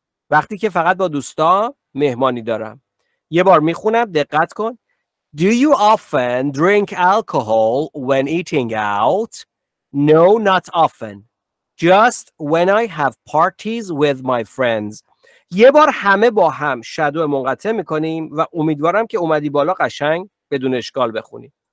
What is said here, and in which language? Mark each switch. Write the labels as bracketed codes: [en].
[fa] وقتی که فقط با دوستا مهمانی دارم. یه بار می خونم دقت کن. [en] Do you often drink alcohol when eating out? No, not often. Just when I have parties with my friends. [fa] یه بار همه با هم شادو منقطع میکنیم و امیدوارم که اومدی بالا قشنگ بدون اشکال بخونی.